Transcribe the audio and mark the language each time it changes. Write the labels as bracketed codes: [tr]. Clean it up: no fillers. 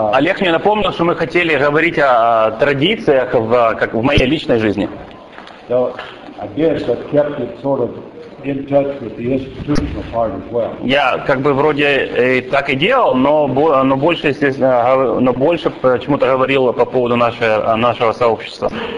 [ru] Олег мне напомнил, что мы хотели говорить о традициях в, как в моей личной жизни. [en] So, I guess I kept it sort of in touch with the institutional part as well. [ru] Я как бы вроде и так и делал, но больше, естественно, но больше почему-то говорил по поводу нашего сообщества.